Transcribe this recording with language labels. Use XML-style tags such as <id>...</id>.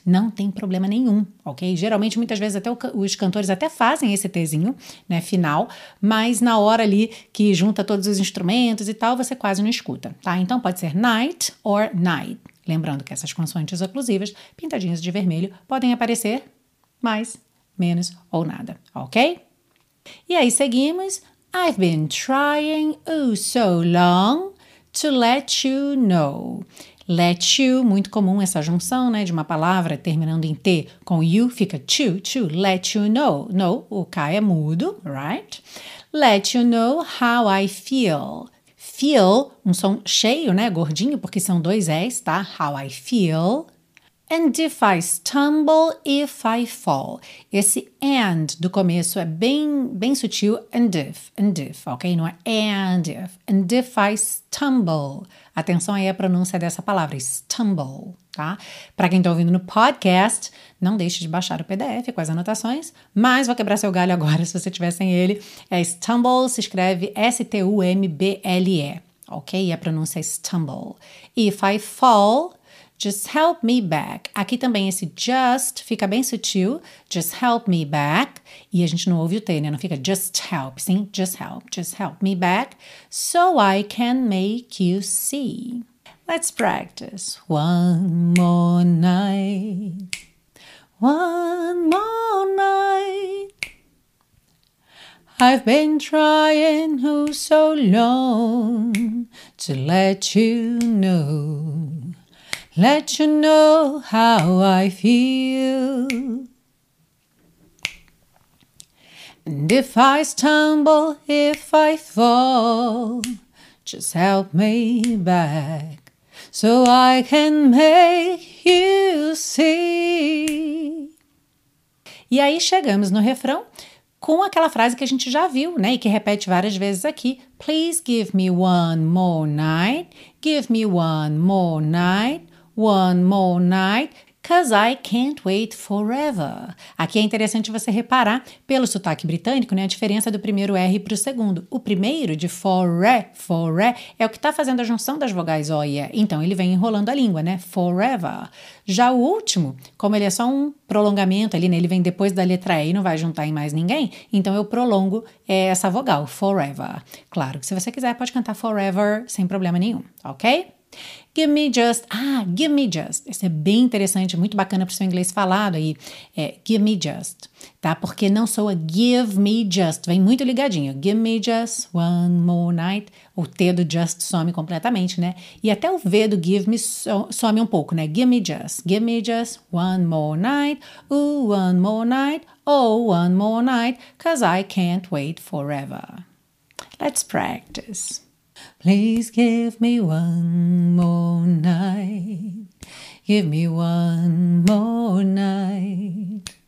<pt>Não tem problema nenhum, ok? Geralmente, muitas vezes, até os cantores até fazem esse Tzinho, né, final, mas na hora ali que junta todos os instrumentos e tal, você quase não escuta, tá? Então, pode ser</pt> <en>night or night.</en> <pt>Lembrando que essas consoantes oclusivas, pintadinhas de vermelho, podem aparecer mais, menos ou nada, ok? E aí, seguimos.</pt> <en>I've been trying so long to let you know. Let you,</en> <pt>muito comum essa junção, né, de uma palavra terminando em T com you, fica to,</pt> <en>let you know.</en> <pt>No, o K é mudo,</pt> <en>right? Let you know how I feel.</en> <pt>Feel, um som cheio, né, gordinho, porque são dois S, tá?</pt> <en>How I feel. And if I stumble, if I fall.</en> <pt>Esse and do começo é bem sutil.</pt> <en>And if, ok?</en> <pt>Não é</pt> <en>and if. And if I stumble.</en> <pt>Atenção aí à pronúncia dessa palavra, stumble, tá? Pra quem tá ouvindo no podcast, não deixe de baixar o PDF com as anotações. Mas vou quebrar seu galho agora, se você tiver sem ele. É stumble, se escreve S-T-U-M-B-L-E, ok? E a pronúncia é stumble.</pt> <en>If I fall, just help me back.</en> <pt>Aqui também esse just fica bem sutil.</pt> <en>Just help me back.</en> <pt>E a gente não ouve o T, né? Não fica</pt> <en>just help,</en> <pt>sim?</pt> <en>Just help. Just help me back. So I can make you see. Let's practice. One more night. One more night. I've been trying so long to let you know. Let you know how I feel. And if I stumble, if I fall, just help me back so I can make you see.</en> <pt>E aí chegamos no refrão com aquela frase que a gente já viu, né, e que repete várias vezes aqui.</pt> <en>Please give me one more night. Give me one more night. One more night, 'cause I can't wait forever.</en> <pt>Aqui é interessante você reparar, pelo sotaque britânico, né, a diferença do primeiro R para o segundo. O primeiro, de forever, é o que está fazendo a junção das vogais O e E. Então, ele vem enrolando a língua, né? Forever. Já o último, como ele é só um prolongamento ali, né, ele vem depois da letra E e não vai juntar em mais ninguém, então eu prolongo essa vogal, forever. Claro que se você quiser, pode cantar forever sem problema nenhum, ok?</pt> <en>Give me just, give me just.</en> <pt>Isso é bem interessante, muito bacana para o seu inglês falado aí. É</pt> <en>give me just,</en> <pt>tá? Porque não soa give me just, vem muito ligadinho.</pt> <en>Give me just one more night.</en> <pt>O T do just some completamente, né? E até o V do give me some um pouco, né?</pt> <en>Give me just one more night. Ooh, one more night. Oh, one more night. 'Cause I can't wait forever. Let's practice. Please give me one more night. Give me one more night.</en>